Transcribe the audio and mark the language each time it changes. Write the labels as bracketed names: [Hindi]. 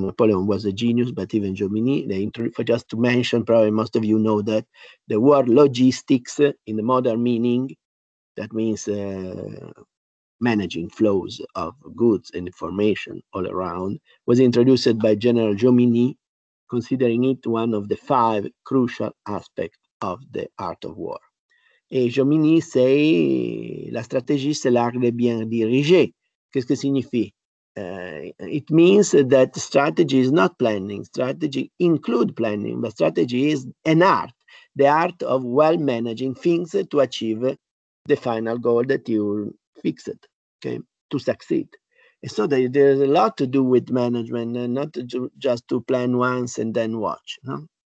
[English] Napoleon was a genius, but even Jomini, just to mention, probably most of you know that the word logistics in the modern meaning, that means managing flows of goods and information all around, was introduced by General Jomini, considering it one of the five crucial aspects of the art of war. [French] Et Jomini say, la stratégie, c'est l'art de bien diriger. Qu'est-ce que signifie? [English] It means that strategy is not planning. Strategy include planning, but strategy is an art, the art of well managing things to achieve the final goal that you fixed, okay, to succeed. And so there's a lot to do with management, not just to plan once and then watch. No?